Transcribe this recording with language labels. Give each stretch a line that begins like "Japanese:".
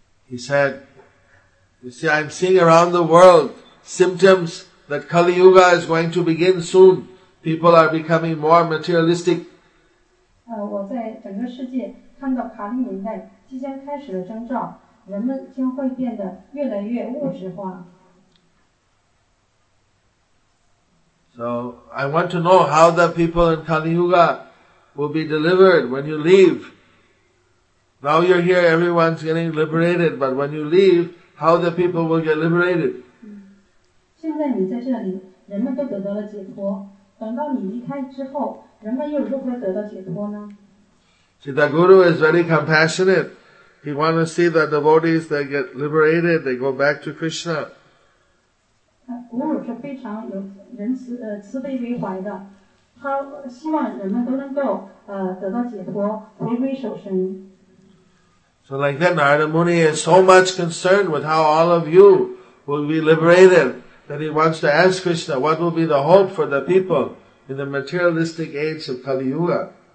English: He said, "You see, I'm seeing around the world symptoms that Kali Yuga is going to begin soon. People are becoming more materialistic."
Chinese: 我在整个世界看到卡利年代即将开始的征兆，人们将会变得越来越物质化。
English: So, I want to know how the people in Kali Yuga will be delivered when you leave. Now you're here, everyone's getting liberated, but when you leave, how the people will get liberated?
Chinese: 现在你在这里，人们都得到了解脱。等到你离开之后，人们又如何得到解脱呢？
English: See, the guru is very compassionate. He wants to see the devotees that get liberated, they go back to Krishna.
Chinese: 古鲁是非常有人慈悲为怀的，他希望人们都能够得到解脱，回归首身。
English: So like that, Narada Muni is so much concerned with how all of you will be liberated that he wants to ask Krishna what will be the hope for the people in the materialistic age of Kali Yuga.